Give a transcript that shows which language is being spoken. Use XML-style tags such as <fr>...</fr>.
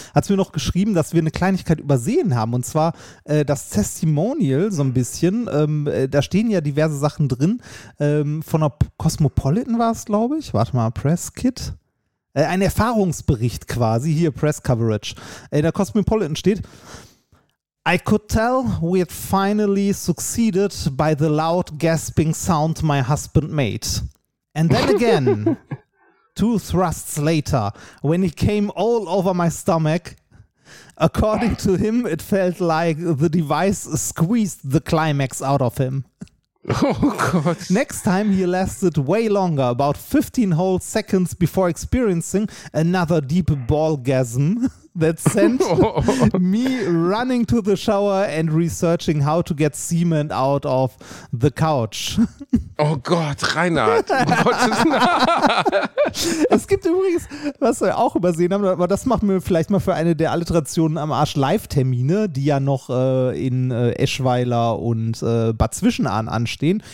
<de>Hat es mir noch geschrieben, dass wir eine Kleinigkeit übersehen haben. Und zwar das Testimonial so ein bisschen. Da stehen ja diverse Sachen drin. Von der Cosmopolitan war es, glaube ich. Warte mal, Press Kit. Ein Erfahrungsbericht quasi, hier Press Coverage. In der Cosmopolitan steht:</de> <en>I could tell we had finally succeeded by the loud gasping sound my husband made. And then again, two thrusts later, when he came all over my stomach, according to him, it felt like the device squeezed the climax out of him.</en> <de>Oh Gott.</de> <en>Next time he lasted way longer, about 15 whole seconds before experiencing another deep ballgasm that sent me running to the shower and researching how to get semen out of the couch.</en> <de>Oh Gott, Reinhard. Es gibt übrigens, was wir auch übersehen haben, aber das machen wir vielleicht mal für eine der Alliterationen am Arsch Live-Termine, die ja noch in Eschweiler und Bad Zwischenahn anstehen.</de>